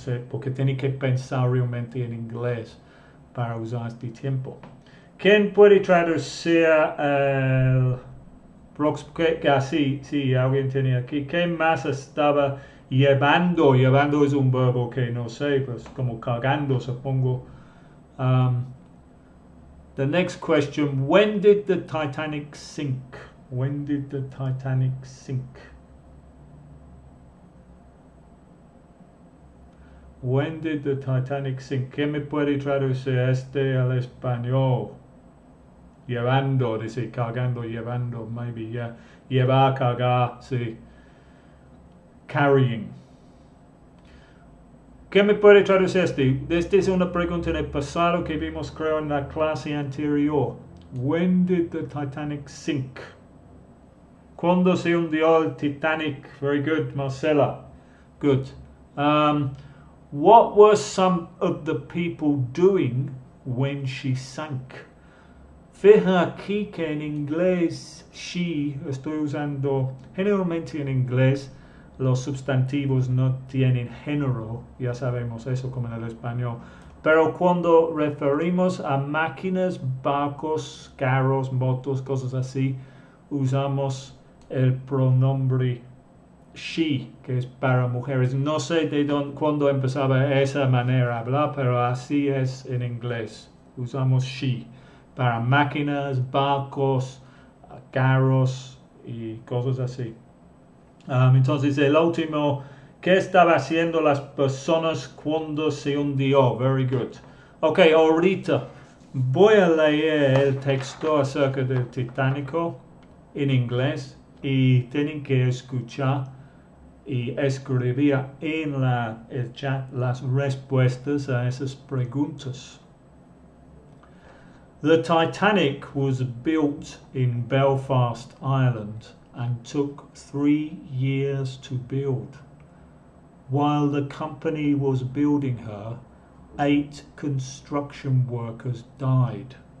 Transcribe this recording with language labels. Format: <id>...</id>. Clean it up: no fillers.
<es>Porque tiene que pensar realmente en inglés para usar este tiempo. ¿Quién puede traducir el próximo? Ah, sí, alguien tiene aquí. ¿Qué más estaba llevando? Llevando es un verbo que no sé, pues como cargando, supongo.</es> <en>The next question, when did the Titanic sink? When did the Titanic sink? When did the Titanic sink?</en> <es>¿Qué me puede traducir al español? Llevando, dice, cargando, llevando,</es> <en>maybe, yeah.</en> <es>Llevar, cargar, sí.</es> <en>Carrying.</en> <es>¿Qué me puede traducir Esta es una pregunta en el pasado que vimos, creo, en la clase anterior.</es> <en>When did the Titanic sink?</en> <es>¿Cuándo se hundió el Titanic?</es> <en>Very good, Marcela. Good. What were some of the people doing when she sank?</en> <es>Fija aquí que en inglés, she, estoy usando generalmente en inglés, los sustantivos no tienen género, ya sabemos eso como en el español. Pero cuando referimos a máquinas, barcos, carros, motos, cosas así, usamos el pronombre she, que es para mujeres. No sé de dónde, cuándo empezaba esa manera de hablar, pero así es en inglés. Usamos she para máquinas, barcos, carros y cosas así. Entonces, el último, ¿qué estaba haciendo las personas cuando se hundió?</es> <en>Very good.</en> <es>Ok, ahorita voy a leer el texto acerca del Titánico en inglés. Y tienen que escuchar y escribir en el chat las respuestas a esas preguntas.</es> <en>The Titanic was built in Belfast, Ireland, and took 3 years to build. While the company was building her, 8 construction workers died.</en>